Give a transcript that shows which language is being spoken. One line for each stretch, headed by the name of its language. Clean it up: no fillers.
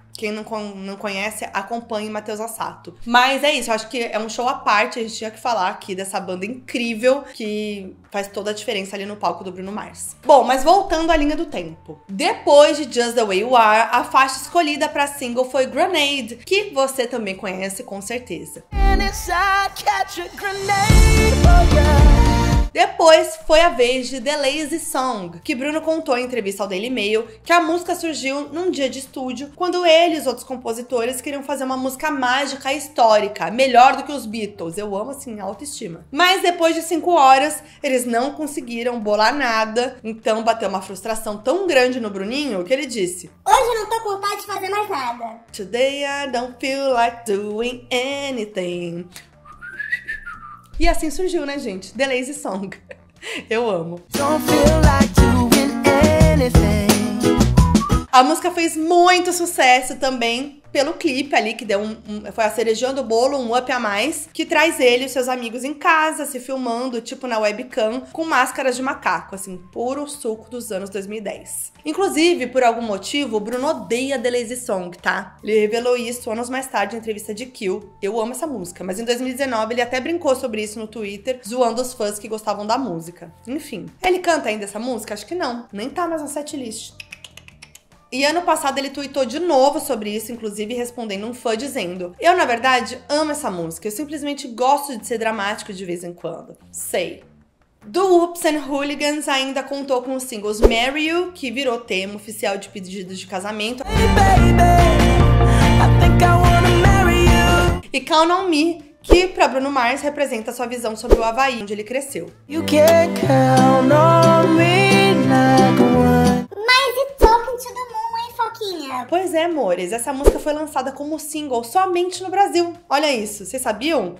Portuguese: Quem não conhece, acompanhe Matheus Assato. Mas é isso, eu acho que é um show à parte. A gente tinha que falar aqui dessa banda incrível que faz toda a diferença ali no palco do Bruno Mars. Bom, mas voltando à linha do tempo. Depois de Just The Way You Are, a faixa escolhida pra single foi Grenade, que você também conhece com certeza.
English: And inside, catch a grenade for you.
Portuguese: Depois foi a vez de The Lazy Song, que Bruno contou em entrevista ao Daily Mail que a música surgiu num dia de estúdio, quando ele e os outros compositores queriam fazer uma música mágica histórica, melhor do que os Beatles. Eu amo, assim, autoestima. Mas depois de 5 horas, eles não conseguiram bolar nada, então bateu uma frustração tão grande no Bruninho que ele disse: hoje eu não tô com vontade de fazer mais nada.
English: Today I don't feel like doing anything.
Portuguese: E assim surgiu, né, gente? The Lazy Song. Eu amo.
English: Don't feel like doing anything.
Portuguese: A música fez muito sucesso também pelo clipe ali, que deu foi a cereja do bolo, um up a mais, que traz ele e seus amigos em casa, se filmando, tipo na webcam, com máscaras de macaco, assim, puro suco dos anos 2010. Inclusive, por algum motivo, o Bruno odeia The Lazy Song, tá? Ele revelou isso anos mais tarde em entrevista de Kill. Eu amo essa música, mas em 2019 ele até brincou sobre isso no Twitter, zoando os fãs que gostavam da música. Enfim, ele canta ainda essa música? Acho que não, nem tá mais na setlist. E ano passado ele tweetou de novo sobre isso, inclusive respondendo um fã dizendo: eu, na verdade, amo essa música. Eu simplesmente gosto de ser dramático de vez em quando. Sei. Do Whoops and Hooligans ainda contou com os singles Marry You, que virou tema oficial de pedidos de casamento.
English: Hey, baby, I think I wanna marry you.
Portuguese: E Count On Me, que pra Bruno Mars representa sua visão sobre o Havaí, onde ele cresceu.
English: You can't count on me like one.
Portuguese: Mas e Talking to the Moon, hein, Foquinha? Pois é, amores. Essa música foi lançada como single somente no Brasil. Olha isso, vocês sabiam?